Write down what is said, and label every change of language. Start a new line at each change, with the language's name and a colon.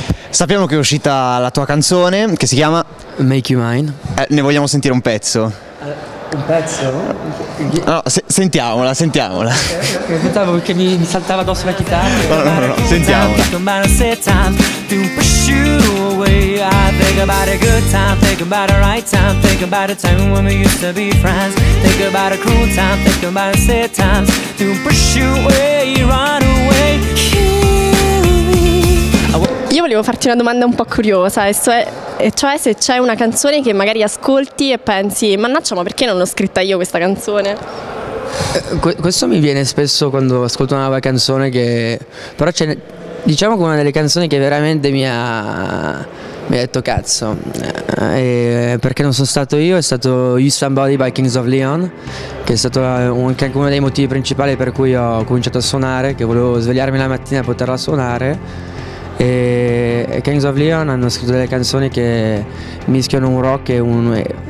Italian: Sappiamo che è uscita la tua canzone, che si chiama
English: Make You Mine.
Italian: Ne vogliamo sentire un pezzo? Un pezzo? No, sentiamola. Aspettavo che mi saltava addosso la chitarra. No, sentiamola.
English: Think about a good time, think about a right time, think about a time when we used to be friends, think about a cool time, think about a sad times, to push you away, run away.
Italian: Io volevo farti una domanda un po' curiosa, cioè se c'è una canzone che magari ascolti e pensi, mannaggia, ma perché non l'ho scritta io questa canzone? Questo mi viene spesso quando ascolto una nuova canzone, che però c'è, diciamo, che una delle canzoni che veramente mi ha detto cazzo, perché non sono stato io, è stato You Somebody by Kings of Leon, che è stato anche uno dei motivi principali per cui ho cominciato a suonare, che volevo svegliarmi la mattina e poterla suonare, e Kings of Leon hanno scritto delle canzoni che mischiano un rock e un...